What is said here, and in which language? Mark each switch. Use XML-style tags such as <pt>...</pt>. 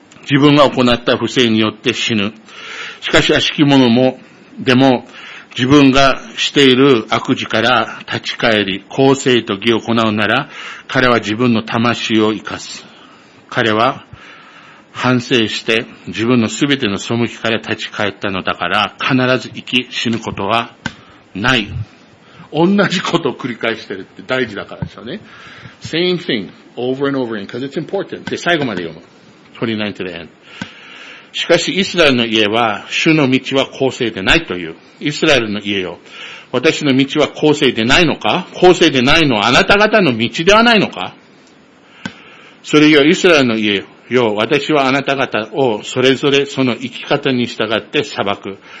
<ja>自分が行った不正によって死ぬ。しかし悪しき者も、でも、自分がしている悪事から立ち返り、公正と義を行うなら、彼は自分の魂を生かす。彼は反省して自分のすべての背きから立ち返ったのだから、必ず生き死ぬことはない。同じことを繰り返してるって大事だからですよね。</ja> <en>Same thing, over and over again, because it's important.</en> <ja>で、最後まで読む。</ja> <en>29 to the end.</en> <ja>しかしイスラエルの家は主の道は公正でないという。イスラエルの家よ、私の道は公正でないのか？公正でないのはあなた方の道ではないのか？それよ、イスラエルの家よ、私はあなた方をそれぞれその生き方に従って裁く。</ja>